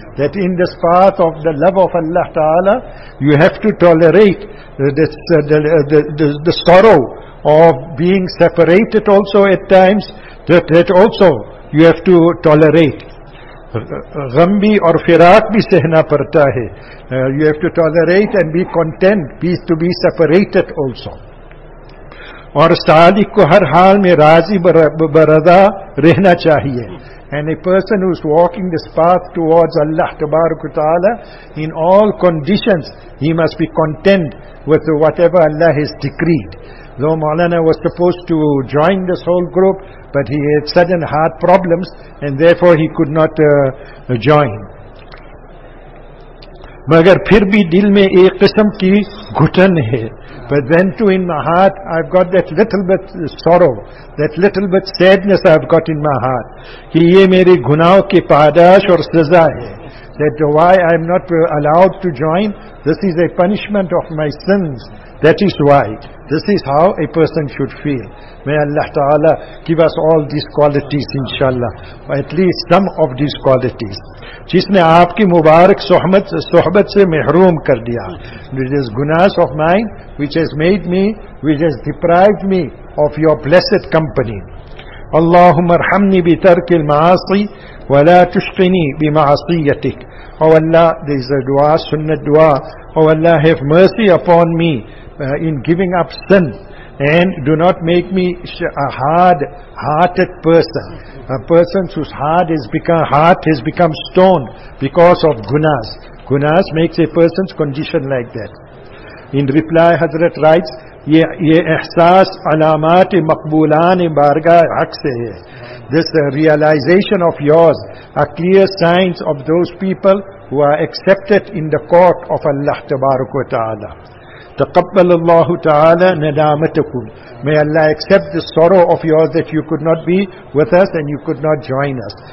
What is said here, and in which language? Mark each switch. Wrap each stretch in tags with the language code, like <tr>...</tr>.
<en>That in this path of the love of Allah Ta'ala you have to tolerate the sorrow of being separated also at times. That also you have to tolerate.</en> <ur>غم بھی اور فراق بھی سہنا پڑتا ہے.</ur> <en>You have to tolerate and be content, peace to be separated also.</en> <ur>اور سالک کو ہر حال میں راضی برضا رہنا چاہیے.</ur> <en>And a person who is walking this path towards Allah Tabaraka Ta'ala, in all conditions he must be content with whatever Allah has decreed. Though Maulana was supposed to join this whole group, but he had sudden heart problems and therefore he could not join.</en> <ur>Magar phir bhi dil mein ek qisam ki ghutan hai.</ur> <en>But then too in my heart I've got that little bit sorrow, that little bit sadness I've got in my heart.</en> <ur>Ki ye mere gunaon ke paadash aur saza hai.</ur> <en>That why I am not allowed to join, this is a punishment of my sins. That is why. This is how a person should feel. May Allah Ta'ala give us all these qualities, inshallah. Or at least some of these qualities.</en> <ur>جس نے آپ کی مبارک صحبت سے محروم کر دیا.</ur> <en>It is gunas of mine which has made me, which has deprived me of your blessed company.</en> <ar>اللهم ارحمني بترك المعاصي ولا تشقني بمعصيتك.</ar> <en>Oh Allah, there is a dua, sunnah dua. Oh Allah, have mercy upon me in giving up sin, and do not make me a hard-hearted person, a person whose heart has become stone because of gunas. Gunas makes a person's condition like that. In reply, Hazrat writes,</en> <ur>یہ احساس علامات مقبولان بارگاہ حق سے ہے.</ur> <en>This realization of yours are clear signs of those people who are accepted in the court of Allah تبارک و تعالی.</en> <ar>تقبل اللہ تعالی ندامتکم.</ar> <en>May Allah accept the sorrow of yours that you could not be with us and you could not join us.</en>